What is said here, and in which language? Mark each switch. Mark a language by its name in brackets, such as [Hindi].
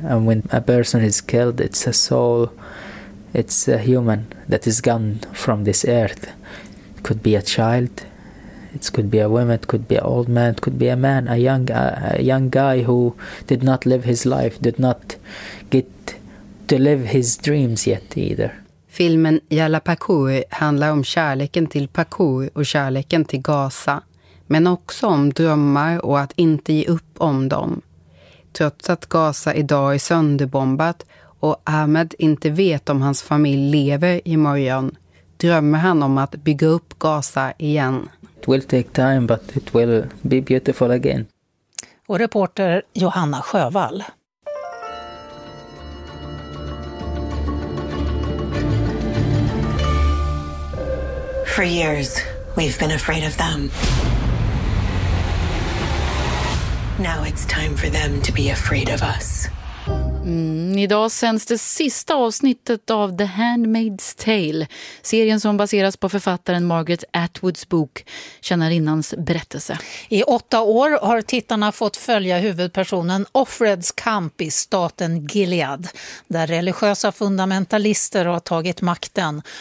[English] And when a person is killed, it's a soul. It's a human that is gone from this earth. It could be a child. It could be a woman. It could be an old man. It could be a man, a young guy who did not live his life, did not get to live his dreams yet either. [Swedish] Filmen Jalla Parkour handlar om kärleken till parkour och kärleken till Gaza, men också om drömmar och att inte ge upp om dem. Trots att Gaza idag är sönderbombat och Ahmed inte vet om hans familj lever i morgon, drömmer han om att bygga upp Gaza igen. [English] It will take time, but it will be beautiful again. [Swedish] Och reporter Johanna Sjövall. [English] For years, we've been afraid of them. Now it's time for them to be afraid of us. [Swedish] Idag sänds det sista avsnittet av The Handmaid's Tale, serien som baseras på författaren Margaret Atwoods bok, Tjänarinnans berättelse. I 8 år har tittarna fått följa huvudpersonen Offreds kamp i staten Gilead, där religiösa fundamentalister har tagit makten